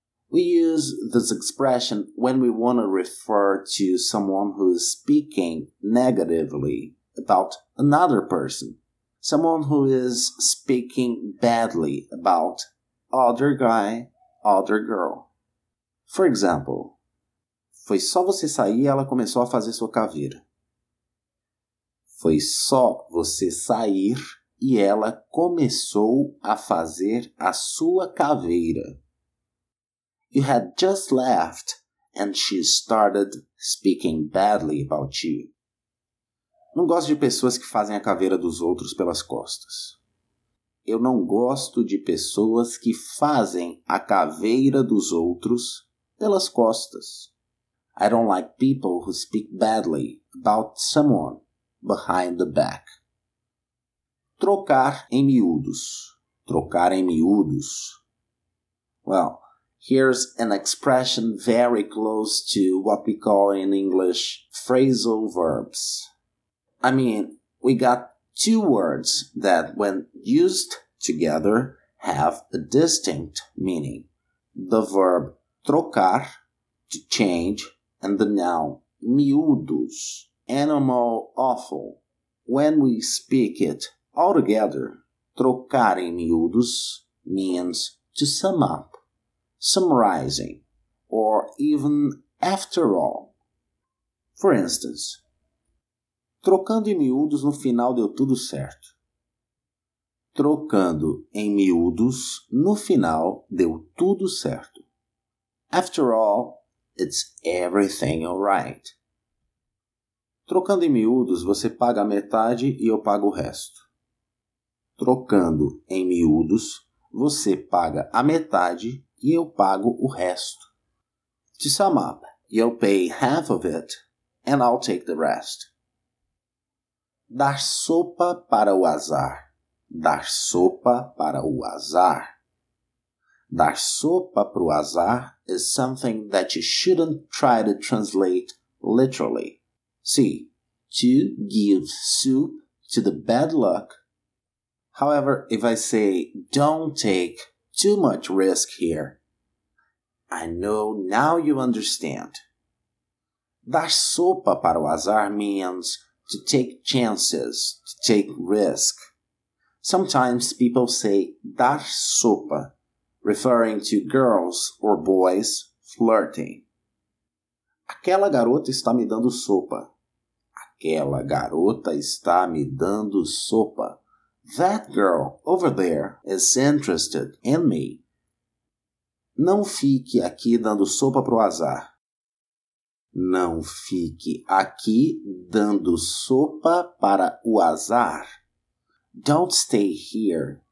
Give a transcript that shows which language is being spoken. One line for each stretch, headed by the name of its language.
English: We use this expression when we want to refer to someone who is speaking negatively about another person, someone who is speaking badly about other guy, other girl. For example,
Portuguese: foi só você sair e ela começou a fazer sua caveira. Foi só você sair e ela começou a fazer a sua caveira.
English: You had just left and she started speaking badly about you.
Portuguese: Não gosto de pessoas que fazem a caveira dos outros pelas costas. Eu não gosto de pessoas que fazem a caveira dos outros pelas costas.
English: I don't like people who speak badly about someone behind the back.
Portuguese: Trocar em miúdos. Trocar em miúdos.
English: Well, here's an expression very close to what we call in English phrasal verbs. I mean, we got two words that, when used together, have a distinct meaning. The verb trocar, to change, and the noun miúdos, animal offal. When we speak it all together, trocar em miúdos means to sum up, summarizing, or even after all. For instance,
Portuguese: trocando em miúdos, no final deu tudo certo. Trocando em miúdos, no final deu tudo certo.
English: After all, it's everything alright.
Portuguese: Trocando em miúdos, você paga a metade e eu pago o resto. Trocando em miúdos, você paga a metade e eu pago o resto.
English: To sum up, you'll pay half of it and I'll take the rest.
Portuguese: Dar sopa para o azar. Dar sopa para o azar.
English: Dar sopa para o azar is something that you shouldn't try to translate literally. See, to give soup to the bad luck. However, if I say don't take too much risk here, I know now you understand. Dar sopa para o azar means to take chances, to take risk. Sometimes people say dar sopa, referring to girls or boys flirting.
Portuguese: Aquela garota está me dando sopa. Aquela garota está me dando sopa.
English: That girl over there is interested in me.
Portuguese: Não fique aqui dando sopa pro azar. Não fique aqui dando sopa para o azar.
English: Don't stay here